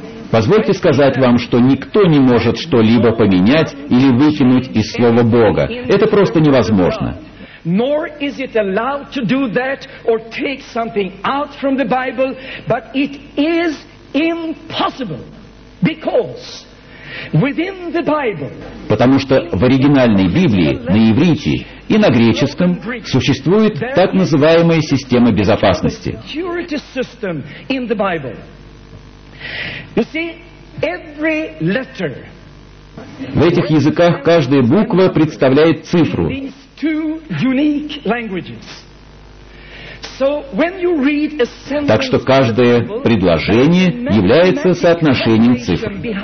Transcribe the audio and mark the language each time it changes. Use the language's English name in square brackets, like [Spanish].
[Russian] Позвольте сказать вам, что никто не может что-либо поменять или выкинуть из слова Бога. Это просто невозможно. [English] Nor is it allowed to do that or take something out from the Bible, but it is impossible because within the Bible. [Russian] Потому что в оригинальной Библии на иврите и на греческом существует так называемая система безопасности. [English] Security system in the Bible. You see, every letter. [Russian] В этих языках каждая буква представляет цифру. Так что каждое предложение является соотношением цифр.